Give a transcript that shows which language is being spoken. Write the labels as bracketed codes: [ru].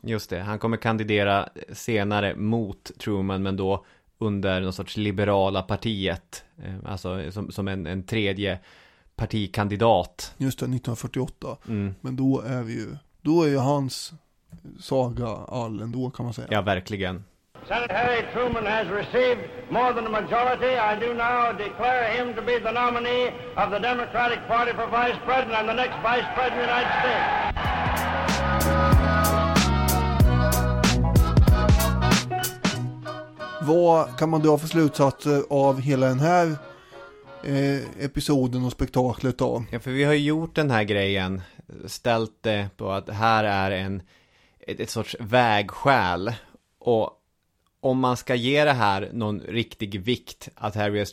[sv] Just det, han kommer kandidera senare mot Truman men då under någon sorts liberala partiet. Alltså som en tredje partikandidat. Just det, 1948. Mm. Men då är vi ju, då är ju hans saga all ändå kan man säga. Ja, verkligen. [en] Senator Harry Truman has received more than a majority. I do now declare him to be the nominee of the Democratic Party for Vice President and the next Vice President of the United States. [sv] Vad kan man dra för slutsatser av hela den här episoden och spektaklet då? Ja, för vi har gjort den här grejen, ställt det på att här är ett sorts vägskäl och om man ska ge det här någon riktig vikt att Harry S.